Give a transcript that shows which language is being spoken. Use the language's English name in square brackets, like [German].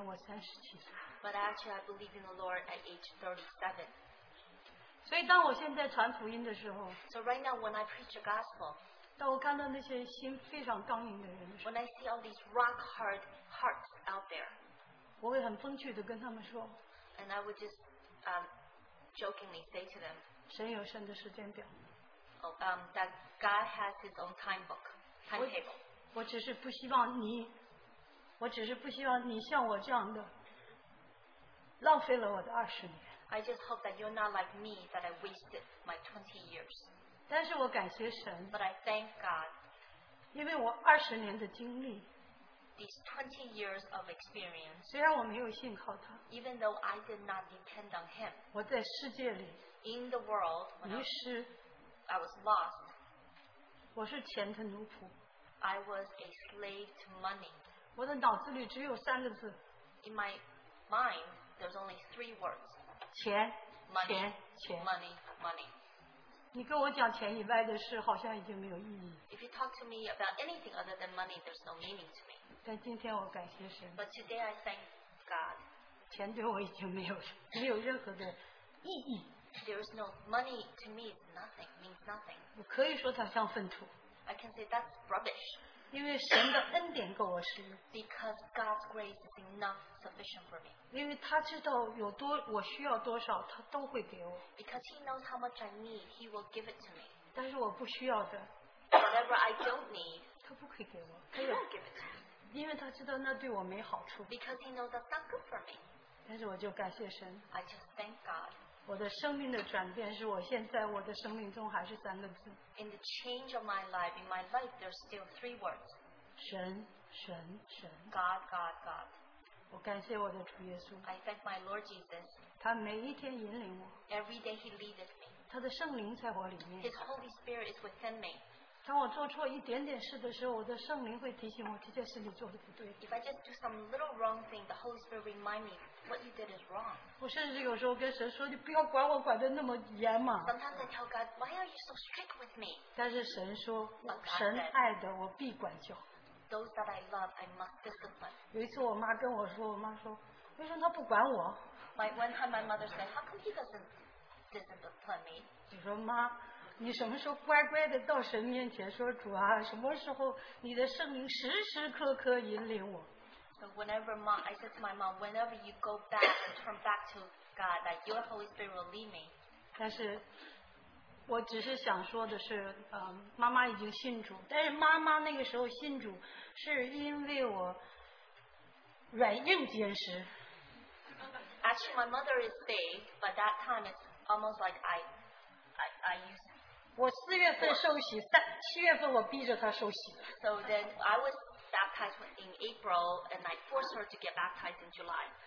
[English] but actually, I believe in the Lord at age 37. [Chinese] 所以当我现在传福音的时候, [English] so right now, when I preach the gospel, when I see all these rock-hard hearts out there, [Chinese] 我会很风趣地跟他们说, [English] and I would just jokingly say to them, [Chinese] 神有神的时间表, [English] oh, that God has his own time book, timetable. [Chinese] 我只是不希望你 我只是不希望你像我这样的浪费了我的二十年。I [English] just hope that you're not like me, that I wasted my 20 years. [Chinese] 但是我感谢神, [English] but I thank God. [Chinese] 因为我二十年的经历, [English] these 20 years of experience, [Chinese] 虽然我没有信靠他, [English] even though I did not depend on him, [Chinese] 我在世界里, [English] in the world, [Chinese] 迷失, [English] I was lost. [Chinese] 我是钱的奴仆, [English] I was a slave to money. [Chinese] 我的脑子里只有三个字, [English] in my mind, there's only three words. [Chinese] 钱, [English] money, [Chinese] 钱, 钱, [English] money, money. [Chinese] 你跟我讲钱以外的事, [English] if you talk to me about anything other than money, there's no meaning to me. [Chinese] 但今天我感谢神, [English] but today I thank God. [Chinese] 钱对我已经没有任何的意义。 [English] There's no money to me, it's nothing, means nothing. [Chinese] 我可以说它像粪土, [English] I can say that's rubbish. [Chinese] 因为神的恩典够我使用, [English] because God's grace is enough sufficient for me. [Chinese] 因为他知道有多, 我需要多少, 他都会给我, [English] because he knows how much I need, he will give it to me. [Chinese] 但是我不需要的, [English] whatever I don't need, [Chinese] 他不会给我, [English] he will give it to me. [Chinese] 因为他知道那对我没好处, [English] because he knows that's not good for me. [Chinese] 但是我就感谢神, [English] I just thank God. [Chinese] 我的生命的转变是我现在我的生命中还是三个字, [English] in the change of my life, in my life there's still three words, [Chinese] 神, 神, 神, [English] God, God, God. [Chinese] 我感谢我的主耶稣, [English] I thank my Lord Jesus. [Chinese] 他每一天引领我, [English] every day he leadeth me. [Chinese] 他的圣灵在我里面, [English] his Holy Spirit is within me. [Chinese] 当我做错一点点事的时候, 我的圣灵会提醒我, 这件事你做得不对, [English] if I just do some little wrong thing, the Holy Spirit remind me what you did is wrong. [Chinese] 我甚至有时候跟神说, 你不要管我, [English] sometimes I tell God, why are you so strict with me? [Chinese] 但是神说, [English] God, [Chinese] 神爱的, 我必管教, [English] those that I love I must discipline. [Chinese] 有一次我妈跟我说, 我妈说, 为什么她不管我? [English] Like one time my mother said, how come he doesn't discipline me? [Chinese] 你说妈, 你什么时候乖乖地到神面前说主啊什么时候你的圣灵时时刻刻引领我, [English] so whenever mom, I said to my mom, whenever you go back and turn back to God, that your Holy Spirit will lead me. [Chinese] 但是我只是想说的是, 妈妈已经信主, 但是妈妈那个时候信主, 是因为我软硬兼施, [English] actually my mother is saved, but that time it's almost like I used to. [Chinese] 我四月份受洗, 三, 七月份我逼着她受洗, [English] so then I was baptized in April and I forced her to get baptized in July.